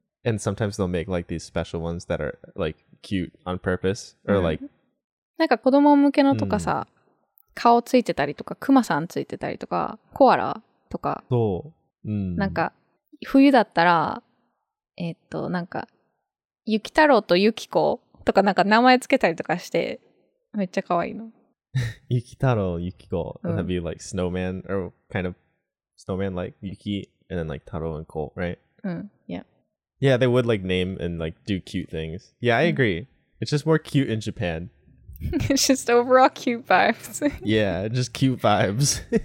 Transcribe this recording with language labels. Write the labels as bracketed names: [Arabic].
[English] And sometimes they'll make like these special ones that are like cute on purpose or like [Japanese] なんか子供向けのとかさ顔ついてたりとか、クマさんついてたりとか、コアラとか。そう。うん。なんか、冬だったら、なんか、雪太郎と雪子とかなんか名前つけたりとかして、めっちゃ可愛いの。雪太郎、雪子。 [English] That'd be like snowman, or kind of snowman-like, 雪、and then like 太郎 and 子, right? うん。Yeah. Yeah, they would like name and like do cute things. Yeah, I agree. It's just more cute in Japan. It's just overall cute vibes. Yeah, just cute vibes.